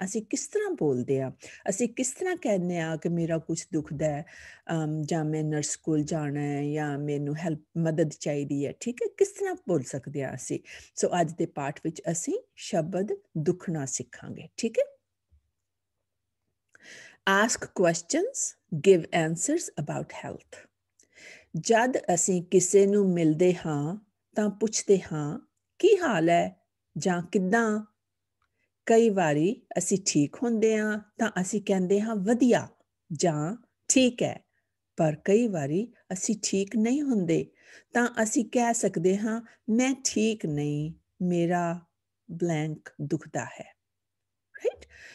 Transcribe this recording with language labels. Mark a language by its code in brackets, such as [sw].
[pa] ਅਸੀਂ ਕਿਸ ਤਰ੍ਹਾਂ ਬੋਲਦੇ ਹਾਂ, ਅਸੀਂ ਕਿਸ ਤਰ੍ਹਾਂ ਕਹਿੰਦੇ ਹਾਂ ਕਿ ਮੇਰਾ ਕੁਝ ਦੁਖਦਾ ਜਾਂ ਮੈਂ ਨਰਸ ਕੋਲ ਜਾਣਾ ਹੈ ਜਾਂ ਮੈਨੂੰ ਹੈਲਪ ਮਦਦ ਚਾਹੀਦੀ ਹੈ, ਠੀਕ ਹੈ, ਕਿਸ ਤਰ੍ਹਾਂ ਬੋਲ ਸਕਦੇ ਹਾਂ ਅਸੀਂ। ਸੋ ਅੱਜ ਦੇ ਪਾਠ ਵਿੱਚ ਅਸੀਂ ਸ਼ਬਦ ਦੁਖਣਾ ਸਿੱਖਾਂਗੇ, ਠੀਕ ਹੈ। [en] Ask questions, give answers about health. [pa] ਜਦ ਅਸੀਂ ਕਿਸੇ ਨੂੰ ਮਿਲਦੇ ਹਾਂ ਤਾਂ ਪੁੱਛਦੇ ਹਾਂ ਕੀ ਹਾਲ ਹੈ ਜਾਂ ਕਿੱਦਾਂ। ਕਈ ਵਾਰੀ ਅਸੀਂ ਠੀਕ ਹੁੰਦੇ ਹਾਂ ਤਾਂ ਅਸੀਂ ਕਹਿੰਦੇ ਹਾਂ ਵਧੀਆ ਜਾਂ ਠੀਕ ਹੈ, ਪਰ ਕਈ ਵਾਰੀ ਅਸੀਂ ਠੀਕ ਨਹੀਂ ਹੁੰਦੇ ਤਾਂ ਅਸੀਂ ਕਹਿ ਸਕਦੇ ਹਾਂ ਮੈਂ ਠੀਕ ਨਹੀਂ, ਮੇਰਾ ਬਲੈਂਕ ਦੁਖਦਾ ਹੈ, ਰਾਈਟ।